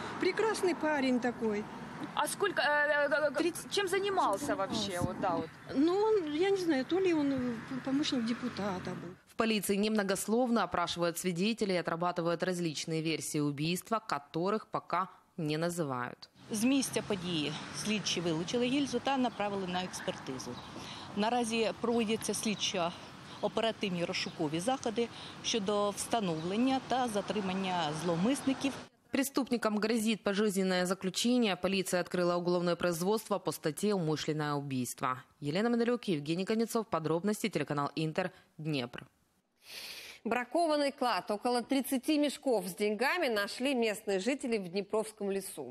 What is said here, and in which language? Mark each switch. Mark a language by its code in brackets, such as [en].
[ru] Прекрасный парень такой. А сколько, чем занимался вообще? Вот, да, вот. Ну, он, я не знаю, то ли он помощник депутата был. В полиции немногословно опрашивают свидетелей и отрабатывают различные версии убийства, которых пока не называют. [uk] З місця події слідчі вилучили гільзу та направили на експертизу. Наразі проводяться слідчо-оперативні розшукові заходи щодо встановлення та затримання зловмисників. [ru] Преступникам грозит пожизненное заключение. Полиция открыла уголовное производство по статье «Умышленное убийство». Елена Мендалюк, Евгений Конецов. Подробности телеканал «Интер», Днепр. Бракованный клад. Около 30 мешков с деньгами нашли местные жители в Днепровском лесу.